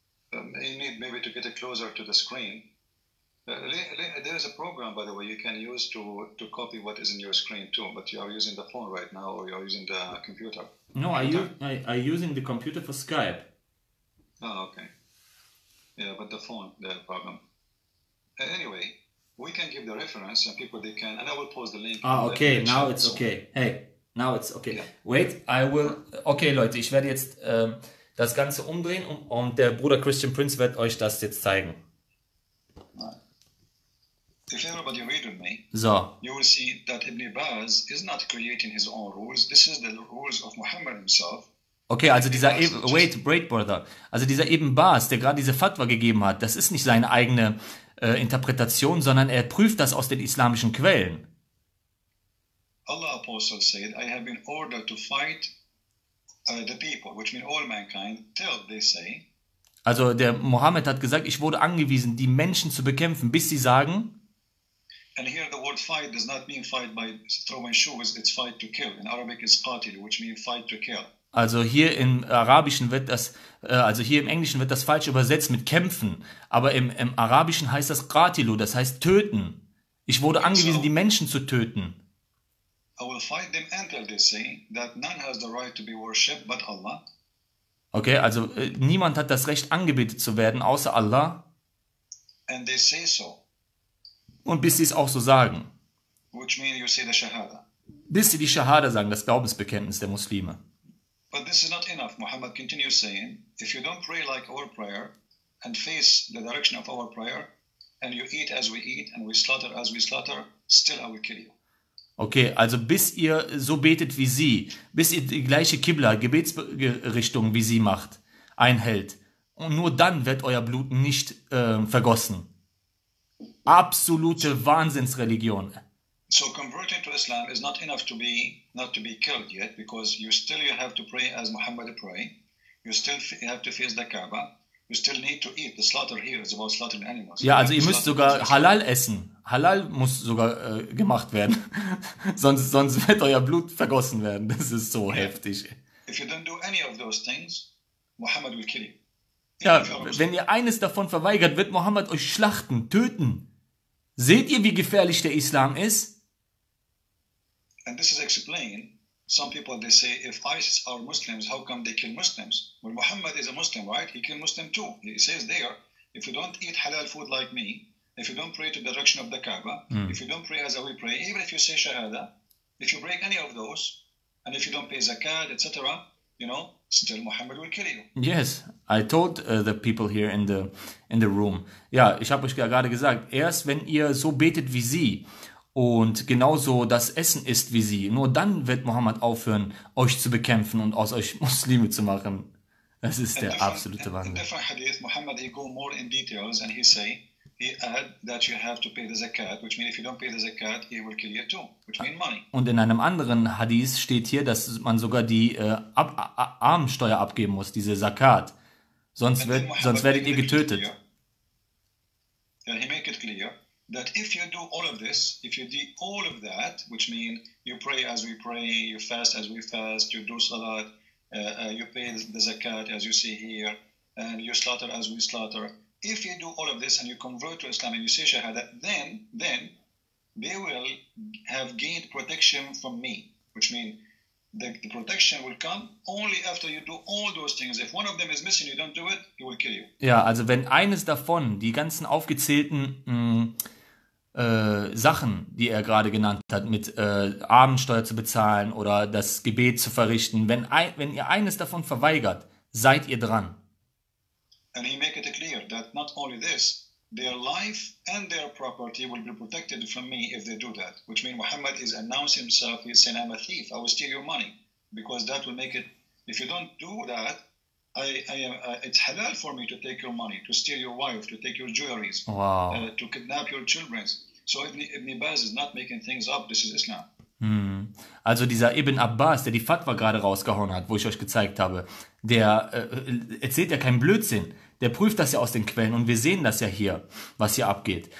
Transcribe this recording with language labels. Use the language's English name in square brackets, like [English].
[English] You need maybe to get it closer to the screen. There is a program, by the way, you can use to copy what is in your screen too, but you are using the phone right now or you are using the computer. No, I'm using the computer for Skype. Oh, okay. Yeah, but the phone, the problem. Anyway, we can give the reference and people, they can, and I will post the link. Ah, okay, now it's okay. Hey, now it's okay. Yeah. Wait, I will, okay, [German] Leute, ich werde jetzt das Ganze umdrehen und der Bruder Christian Prince wird euch das jetzt zeigen. [English] If everybody read with me, so. You will see that Ibn Baz is not creating his own rules. This is the rules of Muhammad himself. Okay, [German] also dieser [English] wait, break, brother. [German] Also dieser Ibn Baz, der gerade diese Fatwa gegeben hat, das ist nicht seine eigene Interpretation, sondern er prüft das aus den islamischen Quellen. [English] Allah Apostle said, I have been ordered to fight the people, which means all mankind, till they say. [German] Also der Mohammed hat gesagt, ich wurde angewiesen, die Menschen zu bekämpfen, bis sie sagen. [English] And here the word fight does not mean fight by throwing shoes, it's fight to kill. In Arabic it's qatil, which means fight to kill. [German] Also hier im Arabischen wird das, also hier im Englischen wird das falsch übersetzt mit kämpfen. Aber im Arabischen heißt das qatilu, das heißt töten. Ich wurde angewiesen, die Menschen zu töten. [English] I will fight them until they say that none has the right to be worshipped but Allah. [German] Okay, also niemand hat das Recht, angebetet zu werden, außer Allah. [English] And they say so. [German] Und bis sie es auch so sagen. [English] Which means you say the Shahada. [German] Bis sie die Shahada sagen, das Glaubensbekenntnis der Muslime. [English] But this is not enough. Muhammad continues saying, if you don't pray like our prayer and face the direction of our prayer and you eat as we eat and we slaughter as we slaughter, still I will kill you. [German] Okay, also bis ihr so betet wie sie, bis ihr die gleiche Qibla, Gebetsrichtung wie sie macht, einhält, und nur dann wird euer Blut nicht vergossen. Absolute Wahnsinnsreligion. [English] So converting to Islam is not enough to be not to be killed yet, because you still have to pray as Muhammad pray. You still have to face the Kaaba. You still need to eat. The slaughter here is about slaughtering animals. [German] Ja, also ihr müsst sogar Halal essen. Halal muss sogar gemacht werden. sonst wird euer Blut vergossen werden. Das ist so heftig. [English] If you don't do any of those things, Muhammad will kill you. [German] Ja, wenn ihr eines davon verweigert, wird Mohammed euch schlachten, töten. Seht ihr, wie gefährlich der Islam ist? [English] And this is explained. Some people they say, if ISIS are Muslims, how come they kill Muslims? Well, Muhammad is a Muslim, right? He killed Muslims too. He says there, if you don't eat halal food like me, if you don't pray to the direction of the Kaaba, if you don't pray as we pray, even if you say Shahada, if you break any of those, and if you don't pay Zakat, etc., you know, still Muhammad will kill you. Yes. I told the people here in the room. [German] Ja, ich habe euch gerade gesagt, erst wenn ihr so betet wie sie und genauso das Essen isst wie sie, nur dann wird Mohammed aufhören, euch zu bekämpfen und aus euch Muslime zu machen. Das ist der absolute Wahnsinn. [English] In different hadith, Muhammad, he go more in details and he add that you have to pay the zakat, which means if you don't pay the zakat, he will kill you too, which means money. [German] Und in einem anderen Hadith steht hier, dass man sogar die Armensteuer abgeben muss, diese Zakat. Sonst werdet ihr getötet. [English] Yeah, he make it clear that if you do all of this, if you do all of that, which means you pray as we pray, you fast as we fast, you do salat, you pay the zakat as you see here, and you slaughter as we slaughter. If you do all of this and you convert to Islam and you say shahada, then they will have gained protection from me, which means the protection will come only after you do all those things. If one of them is missing, you don't do it, he will kill you. [German] Ja, also wenn eines davon, die ganzen aufgezählten Sachen, die er gerade genannt hat, mit Abendsteuer zu bezahlen oder das Gebet zu verrichten, wenn ihr eines davon verweigert, seid ihr dran. [English] And he make it clear that not only this, their life and their property will be protected from me if they do that. Which means Muhammad is announcing himself, he's saying, I'm a thief, I will steal your money. Because that will make it, if you don't do that, it's halal for me to take your money, to steal your wife, to take your jewelries, to kidnap your children. So Ibn Baz is not making things up, this is Islam. [German] Also dieser Ibn Abbas, der die Fatwa gerade rausgehauen hat, wo ich euch gezeigt habe, der erzählt ja keinen Blödsinn. Der prüft das ja aus den Quellen und wir sehen das ja hier, was hier abgeht.